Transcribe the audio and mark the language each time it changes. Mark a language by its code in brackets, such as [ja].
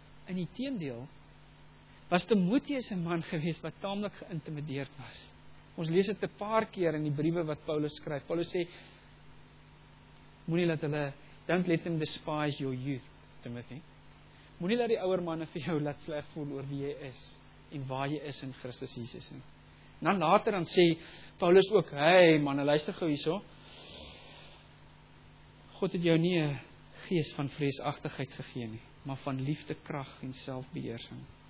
[af] In die teendeel, was Timoteus een man gewees wat tamelijk geïntimideerd was. Ons lees het 'n paar keer in die briewe wat Paulus skryf. Paulus sê, moenie laat hulle, [en] don't let them despise your youth, Timothy. [af] Moenie laat die ouer manne vir jou laat sleg voel oor wie jy is en waar jy is in Christus Jesus. En dan later dan sê Paulus ook, hey manne, luister gou hierso. God het jou nie 'n gees van vreesagtigheid gegee nie, maar van liefde, krag en selfbeheersing.